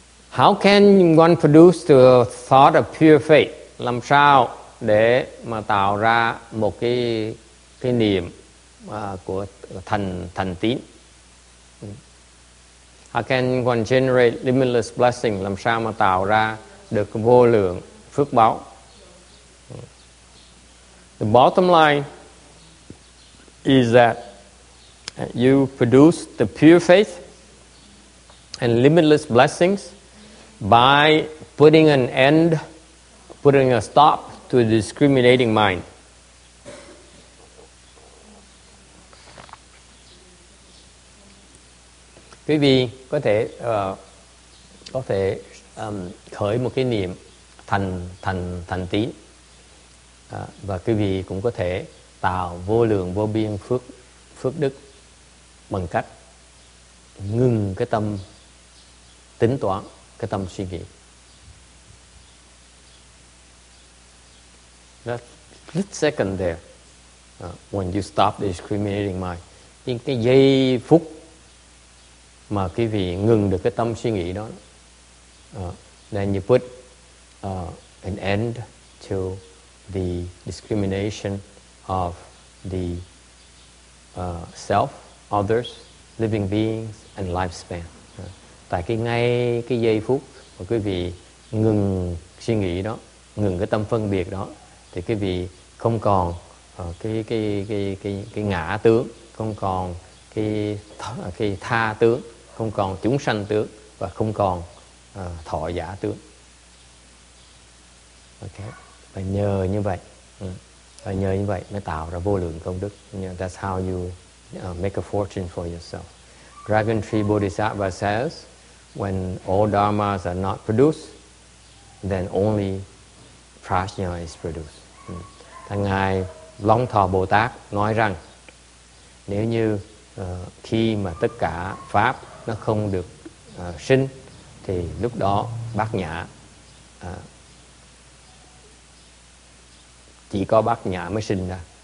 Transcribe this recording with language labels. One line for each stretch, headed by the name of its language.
English: How can one produce the thought of pure faith?
Vietnamese: Làm sao để mà tạo ra một cái niềm của thành tín?
English: How can one generate limitless blessing?
Vietnamese: Làm sao mà tạo ra được vô lượng phước báo?
English: The bottom line is that you produce the pure faith and limitless blessings by putting a stop to the discriminating mind.
Vietnamese: Quý vị có thể khởi một cái niệm thành tín. Và quý vị cũng có thể tạo vô lượng vô biên phước đức bằng cách ngừng cái tâm tính toán, cái tâm suy nghĩ.
English: That split second there, when you stop the discriminating mind, in
Vietnamese: cái giây phút mà quý vị ngừng được cái tâm suy nghĩ đó,
English: then you put an end to the discrimination of the self, others, living beings, and lifespan.
Vietnamese: Tại cái ngay cái giây phút mà quý vị ngừng suy nghĩ đó, ngừng cái tâm phân biệt đó, thì quý vị không còn cái ngã tướng, không còn cái tha tướng, không còn chúng sanh tướng và không còn thọ giả tướng. Ok, và nhờ như vậy, mới tạo ra vô lượng công đức.
English: That's how you make a fortune for yourself. Dragon Tree Bodhisattva says, when all dharmas are not produced, then only prajna is produced.
Vietnamese: Thằng Ngài Long Thọ Bồ Tát nói rằng nếu như khi mà tất cả pháp nó không được sinh thì lúc đó Bát Nhã chỉ có Bát Nhã mới sinh ra.